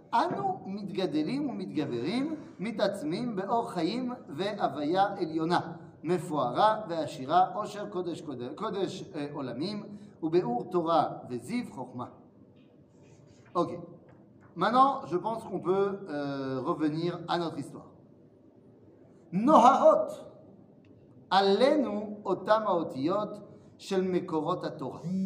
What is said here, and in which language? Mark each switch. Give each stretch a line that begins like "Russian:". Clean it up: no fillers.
Hebrew: אנו מתגדלים ומתגברים, מתעצמים באור חיים והוויה עליונה, מפוארה ועשירה, עושר קודש, קודש, קודש עולמים, ובאור תורה וזיו חוכמה. אוקיי.
French: Maintenant, je pense qu'on peut revenir à notre histoire.
Hebrew: נוהרות עלינו אותם האותיות של מקורות התורה.